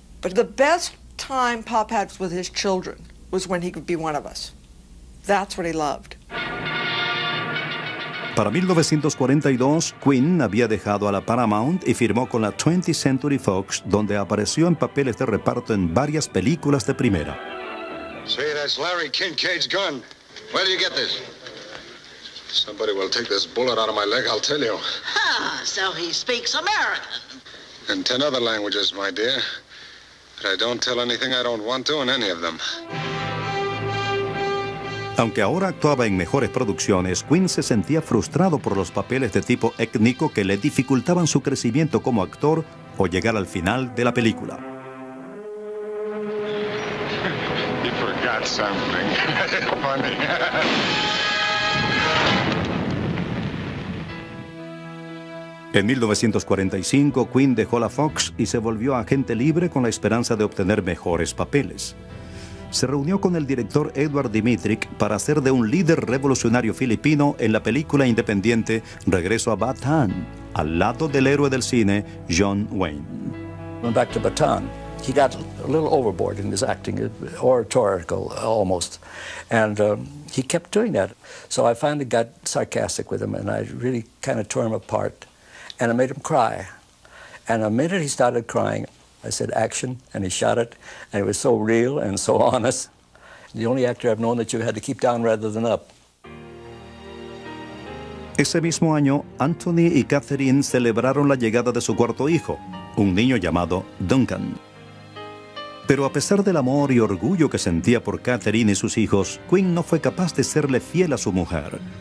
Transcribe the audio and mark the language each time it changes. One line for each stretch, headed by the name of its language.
English: But the best time Pop had with his children was when he could be one of us. That's what he loved.
Spanish: Para 1942, Quinn había dejado a la Paramount y firmó con la 20th Century Fox, donde apareció en papeles de reparto en varias películas de primera.
English: Say, that's Larry Kincaid's gun. Where do you get this? Somebody will take this bullet out of my leg, I'll tell you. So he speaks American. And 10 other languages, my dear. But I don't tell anything I don't want to in any of them.
Spanish: Aunque ahora actuaba en mejores producciones, Quinn se sentía frustrado por los papeles de tipo étnico que le dificultaban su crecimiento como actor o llegar al final de la película.
English: He forgot something. Funny.
Spanish: En 1945, Quinn dejó la Fox y se volvió agente libre con la esperanza de obtener mejores papeles. Se reunió con el director Edward Dimitrik para hacer de un líder revolucionario filipino en la película independiente Regreso a Bataan, al lado del héroe del cine, John Wayne.
English: Went back to Bataan. He got a little overboard in his acting, oratorical almost, and he kept doing that. So I finally got sarcastic with him and I really kind of tore him apart. And I made him cry. And the minute he started crying, I said, action, and he shot it. And it was so real and so honest. The only actor I've known that you had to keep down rather than up.
Spanish: Ese mismo año, Anthony y Catherine celebraron la llegada de su cuarto hijo, un niño llamado Duncan. Pero a pesar del amor y orgullo que sentía por Catherine y sus hijos, Quinn no fue capaz de serle fiel a su mujer.